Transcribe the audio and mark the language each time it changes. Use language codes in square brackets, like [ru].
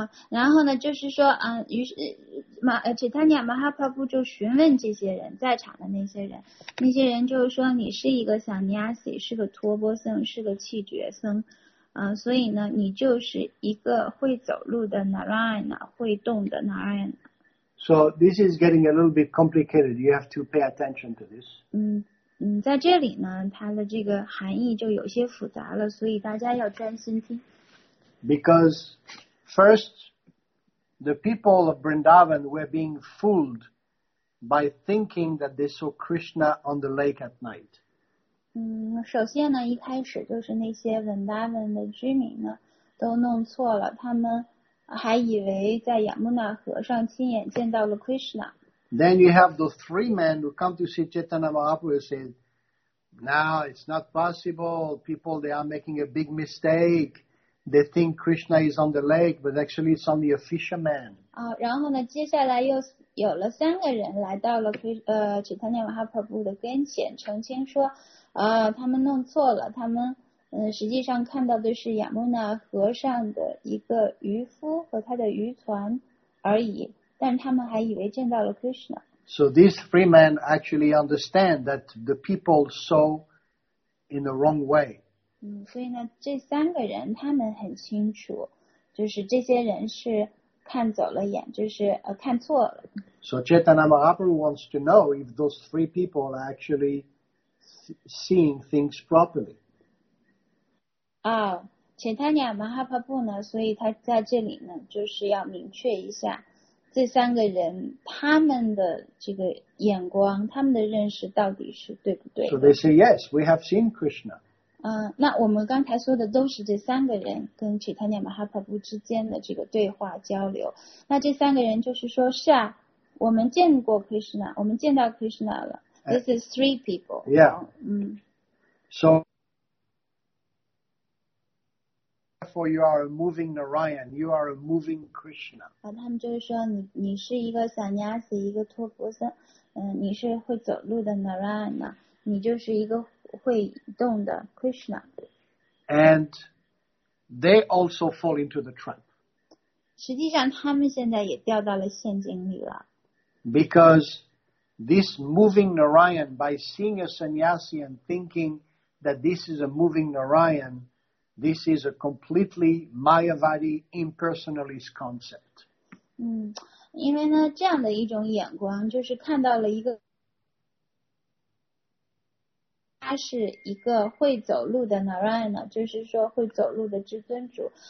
[zh] 然后呢，就是说，于是Chaitanya Mahaprabhu 就询问这些人，在场的那些人，那些人就是说，你是一个sannyasi，是个托钵僧，是个气绝僧，所以呢，你就是一个会走路的 Narayana， 会动的 Narayana。 [en] So this is getting a little bit complicated. You have to pay attention to this. [zh] 在这里呢，它的这个含义就有些复杂了，所以大家要专心听。 [en] Because first, the people of Vrindavan were being fooled by thinking that they saw Krishna on the lake at night. [zh] 首先呢，一开始就是那些 Vrindavan 的居民呢，都弄错了，他们还以为在亚穆纳河上亲眼见到了 Krishna。 [en] Then you have the three men who come to see Chaitanya Mahaprabhu and say, now it's not possible. People, they are making a big mistake. They think Krishna is on the lake, but actually it's only a fisherman. [zh] 然后呢，接下来又有了三个人来到了Chaitanya Mahaprabhu 的跟前，澄清说，他们弄错了，他们实际上看到的是亚穆纳河上的一个渔夫和他的渔船而已。但他们还以为见到了 Krishna. [en] So these three men actually understand that the people saw in the wrong way. [zh] 所以呢，这三个人他们很清楚，就是这些人是看走了眼，就是看错了。 [en] So Chaitanya Mahaprabhu wants to know if those three people are actually seeing things properly. [zh] Chaitanya Mahaprabhu 呢，所以他在这里呢，就是要明确一下。这三个人他们的这个眼光他们的认识到底是对不对 [en] So they say yes we have seen Krishna [zh] 那我们刚才说的都是这三个人跟 Chaitanya Mahaprabhu 之间的这个对话交流那这三个人就是说是啊我们见过 Krishna 我们见到 Krishna 了 [en] This is three people Yeah. So, for you are a moving Narayan, you are a moving Krishna. [zh] 他们就是说你是一个 sannyasi, 一个托钵僧，你是会走路的 Narayana, 你就是一个会动的 Krishna. [en] And they also fall into the trap. [zh] 实际上他们现在也掉到了陷阱里了。 [en] Because this moving Narayan, by seeing a sannyasi and thinking that this is a moving Narayan,This is a completely Mayavadi impersonalist concept. [zh] 因为呢，这样的一种眼光，就是看到了一个，他是一个会走路的 Narayana， 就是说会走路的至尊主。